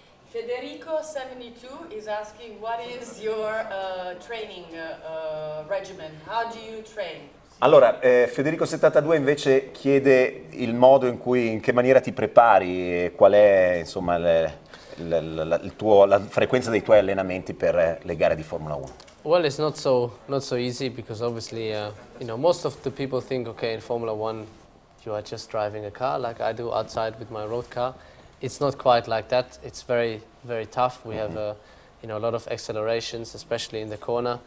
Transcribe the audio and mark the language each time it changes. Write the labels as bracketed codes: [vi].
[en] Federico 72 is asking, what is your training regimen? How do you train? [it] Allora, Federico 72 invece chiede il modo in cui, in che maniera ti prepari, qual è insomma la frequenza dei tuoi allenamenti per le gare di Formula 1. [en] Well, it's not so easy because obviously, you know, most of the people think, okay, in Formula 1 you are just driving a car like I do outside with my road car. It's not quite like that. It's very, very tough. We mm-hmm. have you know, a lot of accelerations, especially in the corner,